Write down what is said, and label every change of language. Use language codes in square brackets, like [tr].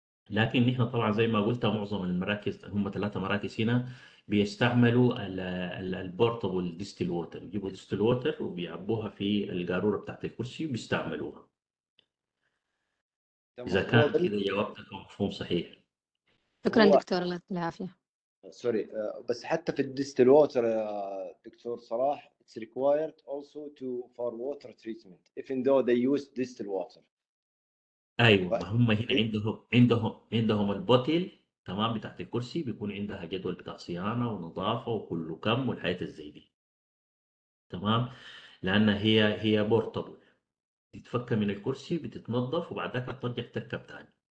[ar] لكن نحن طبعا زي ما قلت معظم المراكز هم ثلاثة مراكز هنا بيستعملوا البورتابل ديستيل ووتر يجيبوا ديستيل ووتر وبيعبوها في القارورة بتاعت الكرسي وبيستعملوها إذا كان كده جوابتك مفهوم صحيح شكرا دكتور الله العافية سوري بس حتى في الديستيل ووتر دكتور صلاح [en] It's required also to for water treatment, even though they use distilled water. [ar] أيوة هم هنا عندهم البوتيل تمام بتاعت الكرسي بيكون عندها جدول بتاع صيانة ونظافة وكل كم والحياة الزي دي تمام لأن هي بورتابل تتفك من الكرسي بتتنظف وبعدها ترجع تركب تاني.